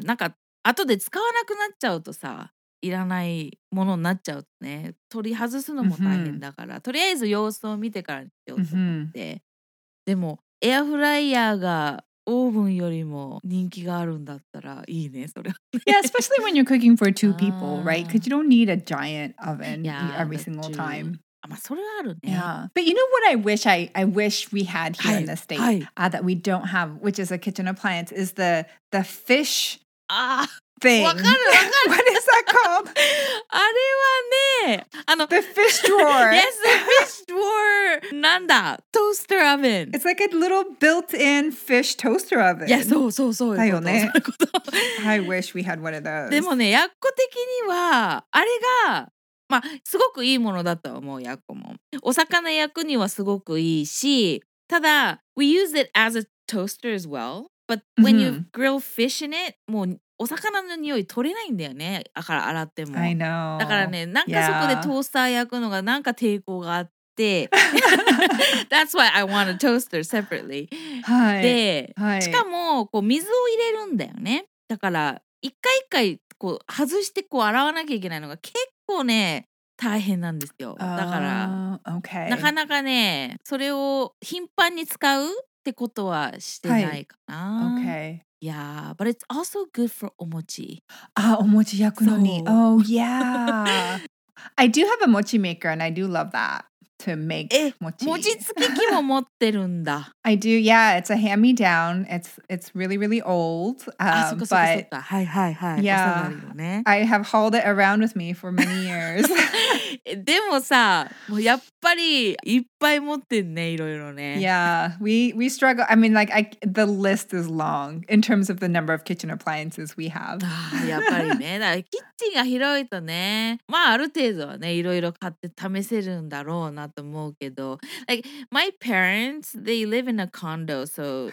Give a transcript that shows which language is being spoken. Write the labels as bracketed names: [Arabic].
[Japanese] なんか後で使わなくなっちゃうとさ、いらないものになっちゃうとね、取り外すのも大変だから、とりあえず様子を見てからにしようと思って。でもエアフライヤーがオーブンよりも人気があるんだったらいいね、それは、ね。 [English] Yeah, especially when you're cooking for two people, right? Because you don't need a giant oven every single time. [Japanese] まあそれはあるね。 [English] Yeah. But you know what I wish we had here、はい、in the States、はい、that we don't have, which is a kitchen appliance, is the fish thing. What is that called? [Japanese] あれはね、あの [English] The fish drawer. Yes, the fish drawer. [Japanese] なんだ? [English] Toaster oven. It's like a little built-in fish toaster oven. [Japanese] Yes, そうそうそう。だよね。 [English] I wish we had one of those. [Japanese] でもね、ヤッコ的には、あれが、まあ、すごくいいものだと思う、ヤッコも。お魚焼くにはすごくいいし、ただ、 [English] we use it as a toaster as well. But when you grill fish in it, [Japanese] もうお魚の匂い取れないんだよね。だから洗っても。 [English] I know. [Japanese] だからね、なんかそこでトースター焼くのがなんか抵抗があって。 [English] That's why I want a toaster separately. [Japanese] はい。で、しかもこう水を入れるんだよね。だから一回一回こう外してこう洗わなきゃいけないのが結構ね、大変なんですよ。だから、 [English] okay. [Japanese] なかなかね、それを頻繁に使う。ってことはしてないかな。 [English] Okay. Yeah, but it's also good for お餅。 [Japanese] あ、お餅焼くのに。So. [English] Oh, yeah. I do have a mochi maker and I do love that to make mochi. [Japanese] 餅つき機も持ってるんだ。 [English] I do, yeah. It's a hand-me-down. It's really, really old. [Japanese] そっかそっか。はいはいはい。 [English] Yeah. [Japanese] ね、 [English] I have hauled it around with me for many years. [Japanese] でもさ、もうやっぱりいっぱい持ってんね、いろいろね。 [English] Yeah, we struggle. I mean, like, the list is long in terms of the number of kitchen appliances we have. [Japanese] やっぱりね、だからキッチンが広いとね、まあある程度はね、いろいろ買って試せるんだろうなと思うけど、 [English] like, my parents, they live in a condo, so、